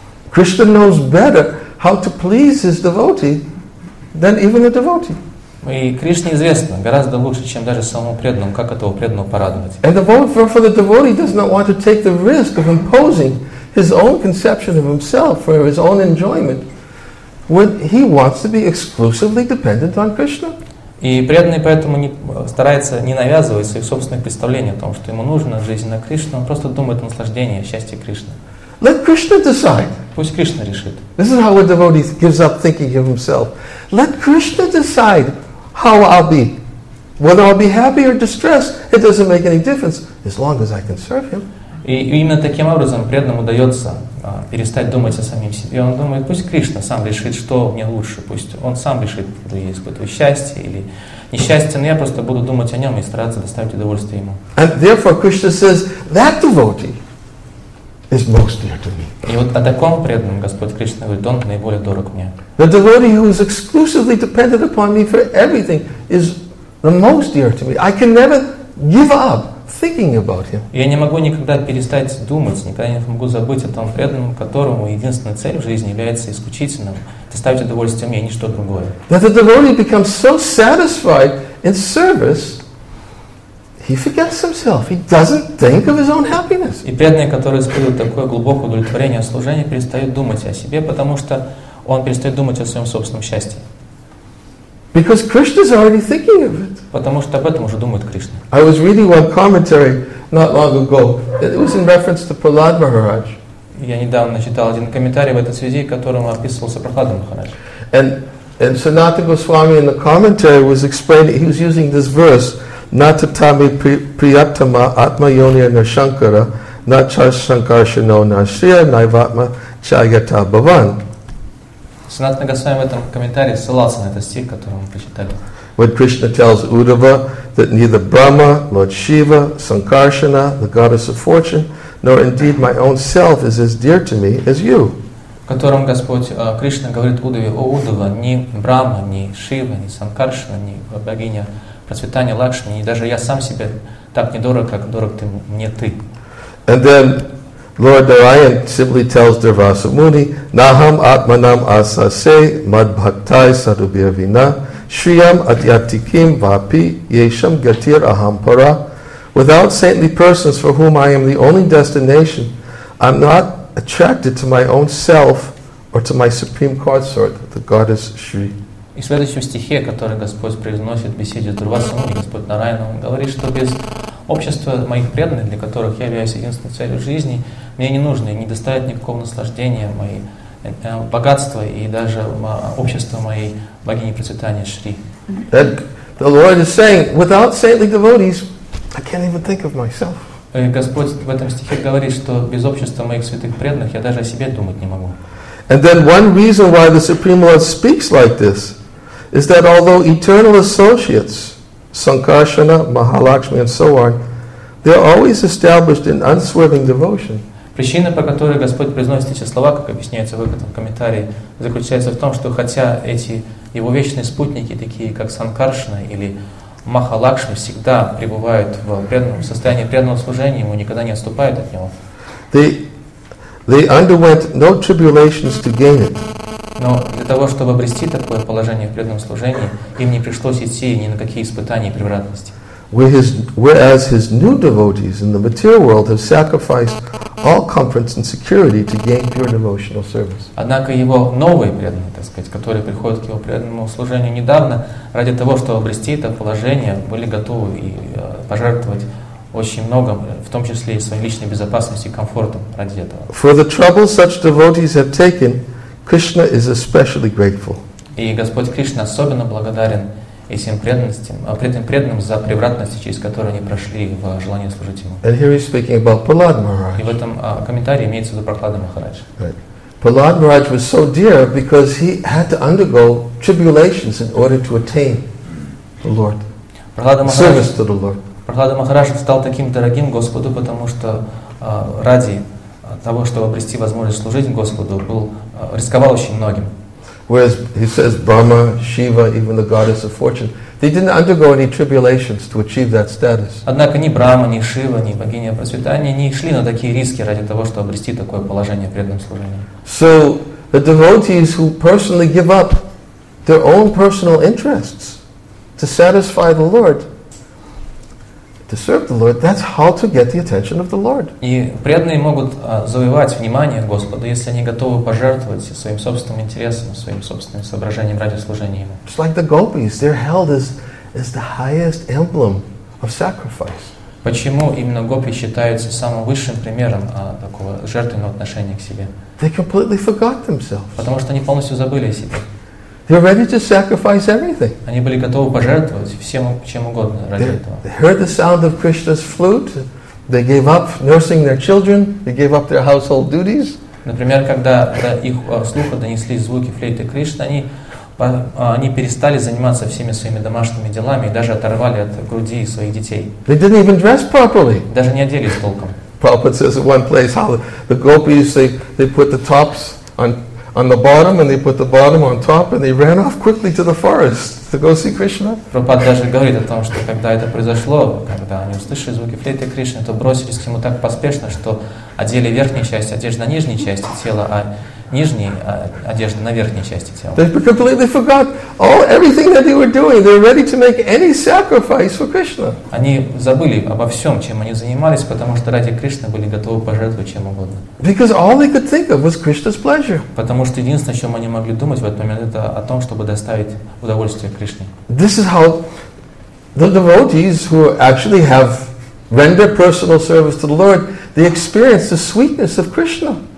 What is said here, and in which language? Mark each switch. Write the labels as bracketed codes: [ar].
[en] Krishna knows better how to please his devotee than even a devotee. [ru] И Кришне известно гораздо лучше, чем даже самому преданному, как этого преданного порадовать. [en] And the devotee, for the devotee, does not want to take the risk of imposing his own conception of himself for his own enjoyment when he wants to be exclusively dependent on Krishna. [ru] И преданный поэтому старается не навязывать своих собственных представлений о том, что ему нужно в жизни на Кришну. Он просто думает о наслаждении, о счастье Кришны. [en] Let Krishna decide. [ru] Пусть Кришна решит. [en] This is how a devotee gives up thinking of himself. Let Krishna decide how I'll be. Whether I'll be happy or distressed, it doesn't make any difference as long as I can serve him. [ru] И именно таким образом преданному удается перестать думать о самим себе. И он думает, пусть Кришна сам решит, что мне лучше, пусть он сам решит, что есть какое-то счастье или несчастье, но я просто буду думать о нем и стараться доставить удовольствие ему. [en] And therefore Krishna says, that devotee is most dear to me. [ru] И вот о таком преданном Господь Кришна говорит, он наиболее дорог мне. [en] The devotee who is exclusively dependent upon me for everything is the most dear to me. I can never give up thinking about him. [ru] Я не могу никогда перестать думать, никогда не могу забыть о том преданном, которому единственная цель в жизни является исключительным доставить удовольствие мне, ничто другое. [en] That the devotee becomes so satisfied in service, he forgets himself. He doesn't think of his own happiness. [ru] И преданный, который испытывает такое глубокое удовлетворение от служения, перестает думать о себе, потому что он перестает думать о своем собственном счастье. [en] Because Krishna is already thinking of it. [ru] Потому что об этом уже думает Кришна. [en] I was reading one commentary not long ago. It was in reference to Prahlad Maharaj. [ru] Я недавно читал один комментарий в этой связи, в котором описывался Прахлада Махарадж. [en] And Sanatana Goswami in the commentary was explaining, he was using this verse, [sa] Natatami Priyatama Atma Yonya Nashankara Nachar Shankarshano Nashriya Naivatma Chayata Bhavan. [ru] Санатана Госвами в этом комментарии ссылался на этот стих, который мы прочитали. [en] When Krishna tells Uddhava that neither Brahma, Lord Shiva, Sankarsana, the goddess of fortune, nor indeed my own self is as dear to me as you. [ru] В котором Господь Кришна говорит Уддхаве: «О Уддхава, ни Брама, ни Шива, ни Санкаршана, ни богиня процветания Лакшми, ни даже я сам себе так недорог, как дорог ты мне ты». [en] And then Lord Narayan simply tells Durvasa Muni, [sa] Naham Atmanam Asase Madbhaktai Sadubhya Vina Shriyam Adyatikim Vapi Yesham Gatir Ahampara. [en] Without saintly persons for whom I am the only destination, I am not attracted to my own self or to my supreme consort, the goddess Shri. [ru] И в следующем стихе, который Господь произносит в беседе с Дурвасой Муни, Господь Нарайан, Он говорит, что без общества моих преданных, для которых я являюсь единственной целью жизни, мне не нужно и не доставит никакого наслаждения мои богатства и даже общество моей богини процветания Шри. [en] The Lord is saying, without saintly devotees, I can't even think of myself. [ru] И Господь в этом стихе говорит, что без общества моих святых преданных я даже о себе думать не могу. [en] And then one reason why the Supreme Lord speaks like this is that although eternal associates, Sankarsana, Mahalakshmi, and so on, they are always established in unswerving devotion. [ru] Причина, по которой Господь произносит эти слова, как объясняется в этом комментарии, заключается в том, что хотя эти его вечные спутники, такие как Санкаршана или Махалакшми, всегда пребывают в преданном состоянии преданного служения, ему никогда не отступают от него. [en] They underwent no tribulations to gain it. [ru] Но для того, чтобы обрести такое положение в преданном служении, им не пришлось идти ни на какие испытания и превратности. [en] Whereas his new devotees in the material world have sacrificed all comforts and security to gain pure devotional service. [ru] Однако его новые преданные, так сказать, которые приходят к его преданному служению недавно, ради того, чтобы обрести это положение, были готовы и пожертвовать очень многим, в том числе и своей личной безопасностью и комфортом ради этого. [en] For the trouble such devotees have taken, Krishna is especially grateful. [ru] И Господь Кришна особенно благодарен этим преданным за превратности, через которые они прошли в желании служить Ему. [en] And here he's speaking about Prahlad Maharaj. [ru] И в этом комментарии имеется в виду Прахлада Махарадж. [en] Prahlad Maharaj was so dear because he had to undergo tribulations in order to attain the Lord. Service to the Lord. [ru] Прахлада Махарадж стал таким дорогим Господу, потому что ради того, чтобы обрести возможность служить Господу, был рисковал очень многим. [en] Whereas he says Brahma, Shiva, even the goddess of fortune, they didn't undergo any tribulations to achieve that status. [ru] Однако ни Брама, ни Шива, ни богиня просветания не шли на такие риски ради того, чтобы обрести такое положение в преданном служении. [en] So the devotees who personally give up their own personal interests to satisfy the Lord, to serve the Lord, that's how to get the attention of the Lord. [ru] И преданные могут завоевать внимание Господа, если они готовы пожертвовать своим собственным интересом, своим собственным соображением ради служения Ему. [en] It's like the gopis, they're held as the highest emblem of sacrifice. [ru] Почему именно гопи считаются самым высшим примером такого жертвенного отношения к себе? [en] They completely forgot themselves. [ru] Потому что они полностью забыли о себе. [en] They're ready to sacrifice everything. [ru] Они были готовы пожертвовать всем, чем угодно ради этого. [en] They heard the sound of Krishna's flute. They gave up nursing their children. They gave up their household duties. [ru] Например, когда до их слуха донесли звуки флейты Кришны, они перестали заниматься всеми своими домашними делами и даже оторвали от груди своих детей. [en] They didn't even dress properly. [ru] Даже не оделись толком. [en] Prabhupada says in one place how the gopis they put the tops on the bottom and they put the bottom on top and they ran off quickly to the forest to go see Krishna. [ru] Prabhupada даже говорит о том, что когда это произошло, когда они услышали звуки флейты Кришны, то бросились к нему так поспешно, что одели верхнюю часть одежды на нижней части тела, а нижней одежды на верхней части тела. [en] They completely forgot all everything that they were doing. They were ready to make any sacrifice for Krishna. [ru] Они забыли обо всем, чем они занимались, потому что ради Кришны были готовы пожертвовать чем угодно. [en] Because all they could think of was Krishna's pleasure. [ru] Потому что единственное, о чем они могли думать в этот момент, это о том, чтобы доставить удовольствие Кришне. [en] This is how the devotees who actually have rendered personal service to the Lord, they experience the sweetness of Krishna.